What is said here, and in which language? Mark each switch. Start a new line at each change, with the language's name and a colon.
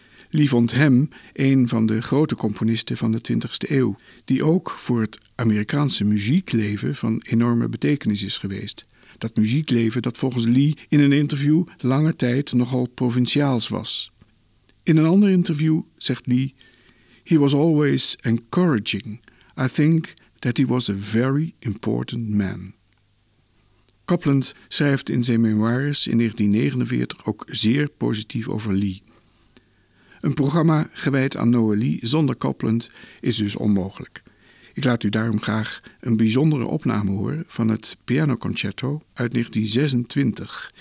Dutch: Lee vond hem een van de grote componisten van de 20e eeuw, die ook voor het Amerikaanse muziekleven van enorme betekenis is geweest. Dat muziekleven dat volgens Lee in een interview lange tijd nogal provinciaals was. In een ander interview zegt Lee:
English: "He was always encouraging. I think that he was a very important man."
Dutch: Copland schrijft in zijn memoires in 1949 ook zeer positief over Lee. Een programma gewijd aan Noël Lee zonder Copland is dus onmogelijk. Ik laat u daarom graag een bijzondere opname horen van het pianoconcerto uit 1926.